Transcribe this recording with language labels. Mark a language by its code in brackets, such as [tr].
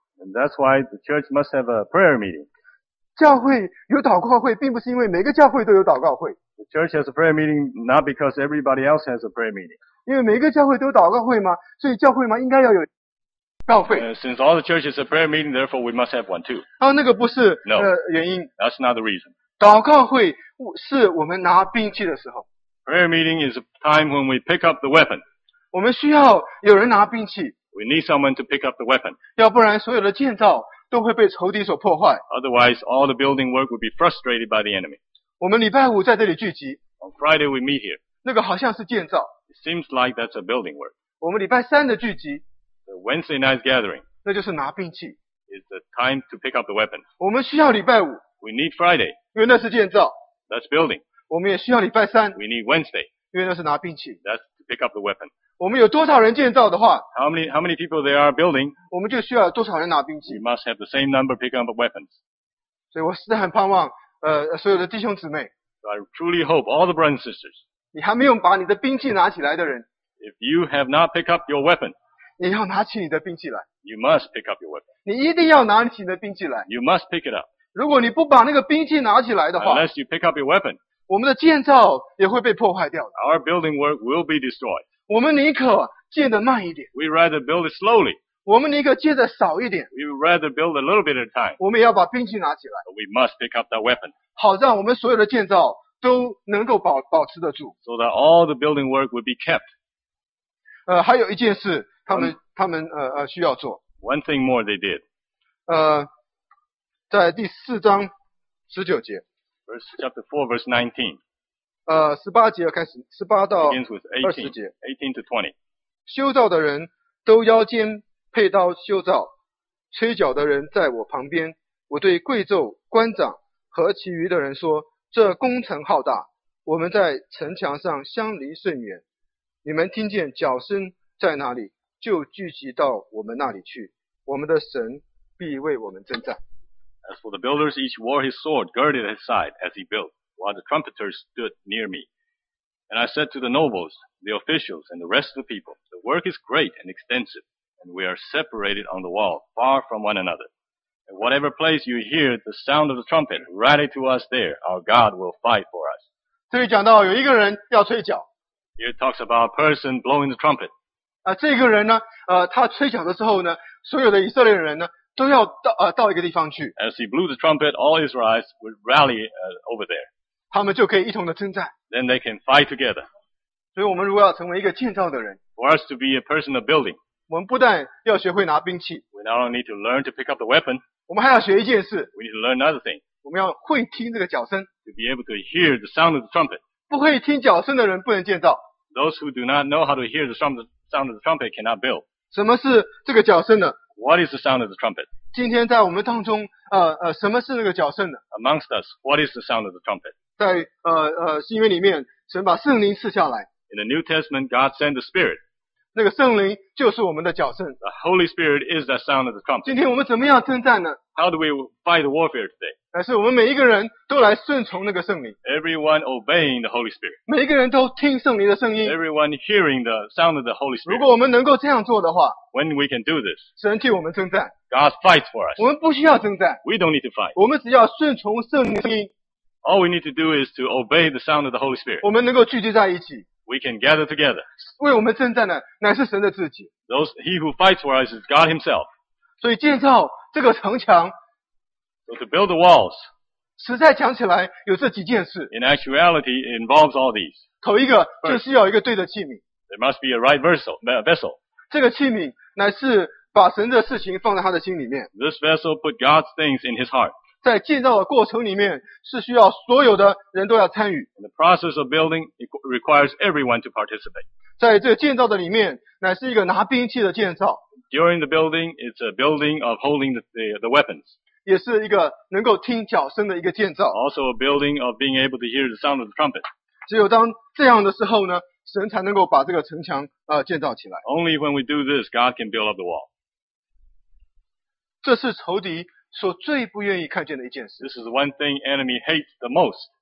[en] And that's why the church must have a prayer meeting. [zh] 教会有祷告会，并不是因为每个教会都有祷告会。 [en] The church has a prayer meeting not because everybody else has a prayer meeting. [zh] 因为每个教会都有祷告会嘛，所以教会嘛应该要有。 [en] Since all the churches are prayer meeting, therefore we must have one too. [zh] 那个不是 [en] no, [zh] 原因。 [en] That's not the reason. [zh] 祷告会是我们拿兵器的时候。 [en] Prayer meeting is a time when we pick up the weapon. [zh] 我们需要有人拿兵器。 [en] We need someone to pick up the weapon. [zh] 要不然所有的建造都会被仇敌所破坏。 [en] Otherwise, all the building work would be frustrated by the enemy. [zh] 我们礼拜五在这里聚集。 [en] On Friday we meet here. [zh] 那个好像是建造。 [en] It seems like that's a building work. [zh] 我们礼拜三的聚集。 [en] Wednesday night gathering. [zh] 那就是拿兵器。 [en] It's the time to pick up the weapon. [zh] 我们需要礼拜五。 [en] We need Friday. [zh] 因为那是建造。 [en] That's building. [zh] 我们也需要礼拜三。 [en] We need Wednesday. [zh] 因为那是拿兵器。 [en] That's to pick up the weapon. [zh] 我们有多少人建造的话。 [en] How many people there are building? [zh] 我们就需要多少人拿兵器。 [en] We must have the same number pick up weapons. [zh] 所以我实在很盼望所有的弟兄姊妹。 [en] So I truly hope all the brothers and sisters. [zh] 你还没有把你的兵器拿起来的人。 [en] If you have not picked up your weapon, [zh] 你要拿起你的兵器来。 [en] You must pick up your weapon. [zh] 你一定要拿起你的兵器来。 [en] You must pick it up. [zh] 如果你不把那个兵器拿起来的话。 [en] Unless you pick up your weapon. [zh] 我们的建造也会被破坏掉的。 [en] Our building work will be destroyed. [zh] 我们宁可建得慢一点。 [en] We'd rather build it slowly. [zh] 我们宁可建得少一点。 [en] We'd rather build a little bit at a time. [zh] 我们也要把兵器拿起来。 [en] We must pick up that weapon. [zh] 好让我们所有的建造都能够保持得住。 [en] So that all the building work would be kept. [zh] 还有一件事。他们需要做。 [en] One thing more they did. [zh] 在第四章十九节。 [en] Verse chapter 4 verse 19. [zh] 十八节开始，十八到二十节。 [en] 18 to 20. [zh] 修造的人都腰间佩刀修造，吹角的人在我旁边。我对贵胄、官长和其余的人说：这工程浩大，我们在城墙上相离甚远。你们听见角声在哪里？就聚集到我们那里去，我们的神必为我们征战。 [en] As for the builders, each wore his sword girded at his side as he built, while the trumpeters stood near me. And I said to the nobles, the officials, and the rest of the people, the work is great and extensive, and we are separated on the wall, far from one another. In whatever place you hear the sound of the trumpet, rally to us there, our God will fight for us. [zh] 这里讲到有一个人要吹角。 [en] Here it talks about a person blowing the trumpet. [zh] 这个人呢，他吹响的时候呢，所有的以色列人呢，都要到到一个地方去。 [en] As he blew the trumpet, all Israelites would rally over there. [zh] 他们就可以一同的征战。 [en] Then they can fight together. [zh] 所以我们如果要成为一个建造的人 [en] ，For us to be a person of building, [zh] 我们不但要学会拿兵器 [en] ，We not only need to learn to pick up the weapon. [zh] 我们还要学一件事 [en] ，We need to learn another thing. [zh] 我们要会听这个脚声 [en] ，To be able to hear the sound of the trumpet. [zh] 不会听脚声的人不能建造。 [en] Those who do not know how to hear the sound of the trumpet cannot build. [zh] 什么是这个脚声呢？ [en] What is the sound of the trumpet? [zh] 今天在我们当中，什么是那个脚声呢？ [en] Amongst us, what is the sound of the trumpet? [zh] 在新约里面，神把圣灵赐下来。 [en] In the New Testament, God sent the Spirit. [zh] 那个圣灵就是我们的脚声。 [en] The Holy Spirit is the sound of the trumpet. [zh] 今天我们怎么样征战呢？ [en] How do we fight the warfare today? [zh] 是我们每一个人都来顺从那个圣灵。 [en] Everyone obeying the Holy Spirit. [zh] 每一个人都听圣灵的声音。 [en] Everyone hearing the sound of the Holy Spirit. [zh] 如果我们能够这样做的话， [en] When we can do this, [zh] 神替我们征战。 [en] God fights for us. [zh] 我们不需要征战。 [en] We don't need to fight. [zh] 我们只要顺从圣灵的声音。 [en] All we need to do is to obey the sound of the Holy Spirit. [zh] 我们能够聚集在一起。 [en] We can gather together. [zh] 为我们征战的乃是神的自己。 [en] He who fights for us is God himself. [zh] 所以建造这个城墙。 [en] So to build the walls. [zh] 实在讲起来有这几件事。 [en] In actuality, it involves all these. [zh] 头一个就是要一个对的器皿。 [en] There must be a right vessel. [zh] 这个器皿乃是把神的事情放在他的心里面。 [en] This vessel put God's things in his heart. [zh] 在建造的过程里面是需要所有的人都要参与。 [en] In the process of building, it requires everyone to participate. [zh] 在这个建造的里面乃是一个拿兵器的建造。 [en] During the building, it's a building of holding the weapons. [zh] 也是一个能够听脚声的一个建造。 [en] Also a building of being able to hear the sound of the trumpet. [zh] 只有当这样的时候呢，神才能够把这个城墙建造起来。 [en] Only when we do this, God can build up the wall. [zh] 这是仇敌所最不愿意看见的一件事。 [en] This is one thing enemy hates the most.